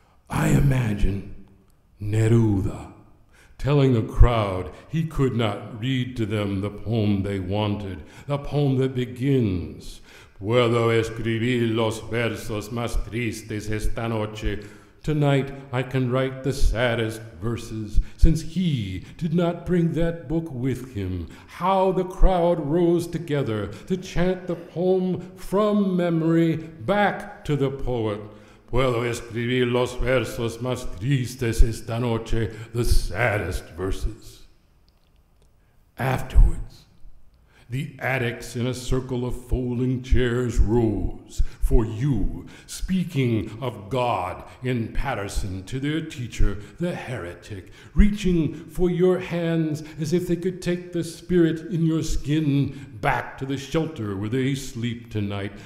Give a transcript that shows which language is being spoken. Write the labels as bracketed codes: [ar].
[en] I imagine Neruda telling a crowd he could not read to them the poem they wanted, the poem that begins, [es] "Puedo escribir los versos más tristes esta noche." [en] Tonight I can write the saddest verses, since he did not bring that book with him. How the crowd rose together to chant the poem from memory back to the poet. [es] Puedo escribir los versos más tristes esta noche, [en] the saddest verses. Afterwards, the addicts in a circle of folding chairs rose, for you, speaking of God in Patterson to their teacher, the heretic, reaching for your hands as if they could take the spirit in your skin back to the shelter where they sleep tonight,